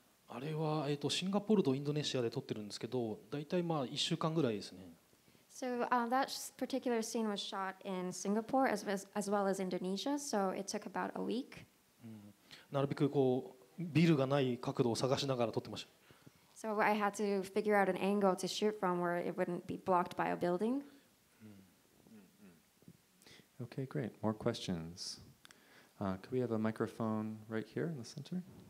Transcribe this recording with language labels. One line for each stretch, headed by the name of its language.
Japanese: あれは、シンガポールとインドネシアで撮ってるんですけど、大体まあ1週間ぐらいですね。
English: So, that particular scene was shot in Singapore as well as Indonesia, so it took about a week.
Japanese: なるべくこうビルがない角度を探しながら撮ってました。
English: So, I had to figure out an angle to shoot from where it wouldn't be blocked by a building. Okay, great. More questions. Could we have a microphone right here in the center?